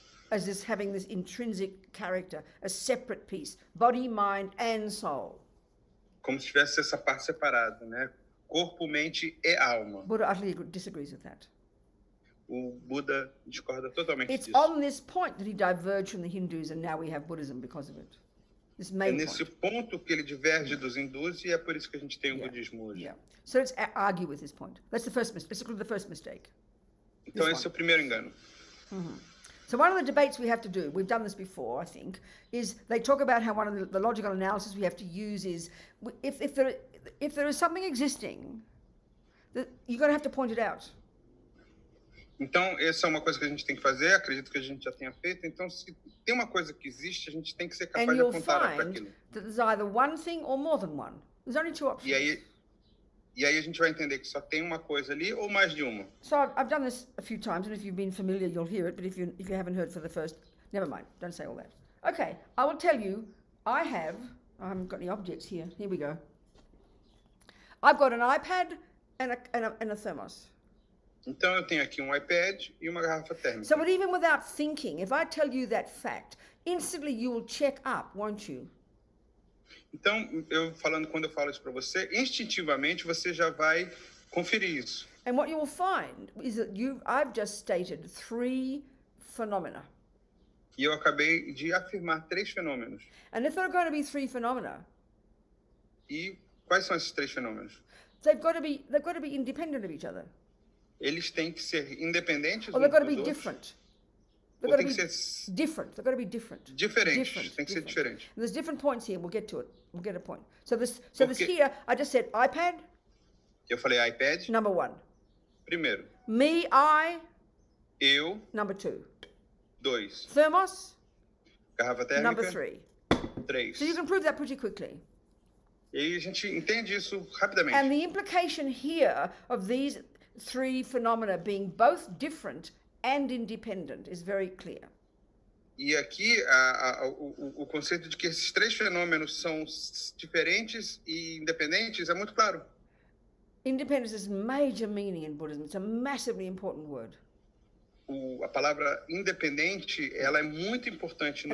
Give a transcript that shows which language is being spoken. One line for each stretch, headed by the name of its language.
English: As this having this intrinsic character, a separate piece, body, mind and soul.
Portuguese: Como se tivesse essa parte separada, né? Corpo, mente e alma.
English: Buddha utterly disagrees with that.
Portuguese: O Buddha discorda totalmente
English: it's
Portuguese: disso.
English: It's on this point that he diverged from the Hindus and now we have Buddhism because of it. This main
Portuguese: é nesse ponto que ele diverge dos hindus e é por isso que a gente tem o budismo hoje.
English: Yeah. So let's argue with this point. That's the first mistake. Basically the first mistake.
Portuguese: Então esse é o primeiro engano. Uhum.
English: So one of the debates we have to do, we've done this before, I think, is they talk about how one of the logical analysis we have to use is if there is something existing, that you're going to have to point it out.
Portuguese: Então, essa é uma coisa que a gente tem que fazer, acredito que a gente já tenha feito. Então, se tem uma coisa que existe, a gente tem que ser capaz
English: and
Portuguese: de apontar para aquilo.
English: And you'll find that there's either one thing or more than one. There's only two options.
Portuguese: E aí a gente vai entender que só tem uma coisa ali ou mais de uma.
English: So I've done this a few times, and if you've been familiar, you'll hear it. But if you haven't heard for the first, never mind. Don't say all that. Okay, I will tell you. I haven't got any objects here. Here we go. I've got an iPad and a thermos.
Portuguese: Então eu tenho aqui um iPad e uma garrafa térmica.
English: So, but even without thinking, if I tell you that fact, instantly you will check up, won't you?
Portuguese: Então, eu falando quando eu falo isso para você, instintivamente você já vai conferir isso.
English: And what you will find is that I've just stated three phenomena.
Portuguese: E eu acabei de afirmar três fenômenos.
English: And if there are going to be three phenomena.
Portuguese: E quais são esses três fenômenos?
English: They've got to be independent of each other.
Portuguese: Eles têm que ser independentes.
English: Or they've got to be different. They've got to be different. They've got to be different. Different. And there's different points here. We'll get to it. We'll get a point. So this here, I just said iPad.
Portuguese: Eu falei iPad.
English: Number one.
Portuguese: Primeiro.
English: Me, I.
Portuguese: Eu.
English: Number two.
Portuguese: Dois.
English: Thermos.
Portuguese: Garrafa térmica.
English: Number three.
Portuguese: Três.
English: So you can prove that pretty quickly.
Portuguese: E a gente entende isso rapidamente.
English: And the implication here of these three phenomena being both different and independent is very clear.
Portuguese: E aqui o conceito de que esses três fenômenos são diferentes e independentes é muito claro.
English: Independence is major meaning in Buddhism. It's a massively important word.
Portuguese: A palavra independente, ela é muito importante no